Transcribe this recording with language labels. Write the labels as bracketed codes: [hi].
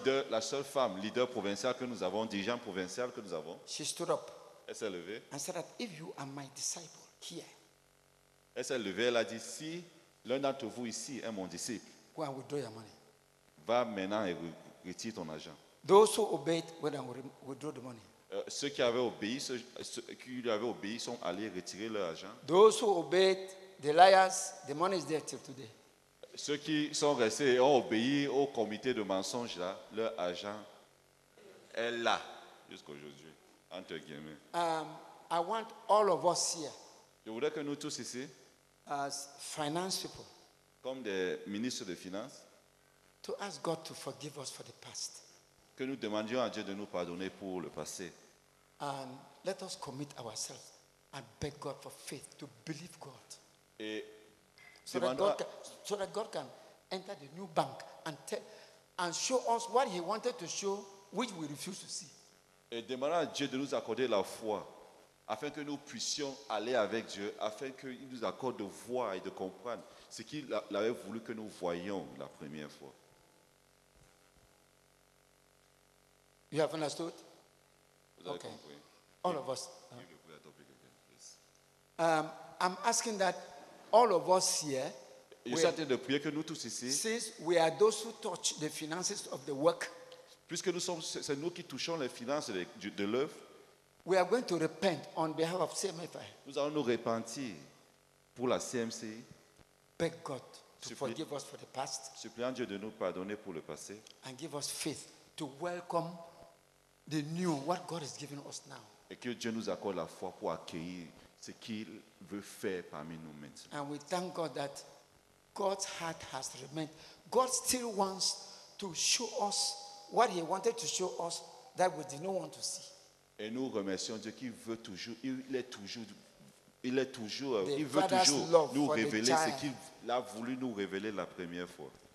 [fr] la seule femme leader provinciale que nous avons, dirigeant provincial que nous avons, [en] she stood up, [fr] elle s'est levée, [en] and said that if you are my disciple here. [fr] Elle s'est levée, elle a dit, si l'un d'entre vous ici est mon disciple, [en] go and withdraw your money. [fr] Va maintenant et retire ton argent. [en] Those who obeyed went and withdraw the money. [fr] Ceux qui avaient obéi, ceux qui lui avaient obéi sont allés retirer leur argent. [en] Those who obeyed, the liars, the money is there till today. [fr] Ceux qui sont restés et ont obéi au comité de mensonges là, leur argent est là jusqu'aujourd'hui. Entre guillemets. [en] I want all of us here. [fr] Je voudrais que nous tous ici, [en] as finance people, [fr] comme des ministres de finances, [en] to ask God to forgive us for the past. [fr] Que nous demandions à Dieu de nous pardonner pour le passé. [en] And let us commit ourselves and beg God for faith to believe God. [fr] Et [en] so that God can enter the new bank and show us what He wanted to show, which we refuse to see. [fr] Et demandons à Dieu de nous accorder la foi. Afin que nous puissions aller avec Dieu, afin qu'il nous accorde de voir et de comprendre ce qu'il avait voulu que nous voyions la première fois. [en] You have understood? [fr] Vous avez compris? [en] All of us. I'm asking that all of us here. [fr] Je suis en train de prier que nous tous ici. [en] Since we are those who touch the finances of the work. [fr] Puisque nous sommes, c'est nous qui touchons les finances de l'œuvre. [en] We are going to repent on behalf of CMFI. [fr] Nous allons nous repentir pour la CMCI. [en] Beg God to forgive us for the past. [fr] Suppliant Dieu de nous pardonner pour le passé. [en] And give us faith to welcome the new, what God is giving us now. [fr] Et que Dieu nous accorde la foi pour accueillir ce qu'il veut faire parmi nous maintenant. [en] And we thank God that God's heart has remained. God still wants to show us what He wanted to show us that we did not want to see. [fr] Et nous remercions Dieu qui veut toujours, il veut toujours nous révéler ce qu'il a voulu nous révéler la première fois.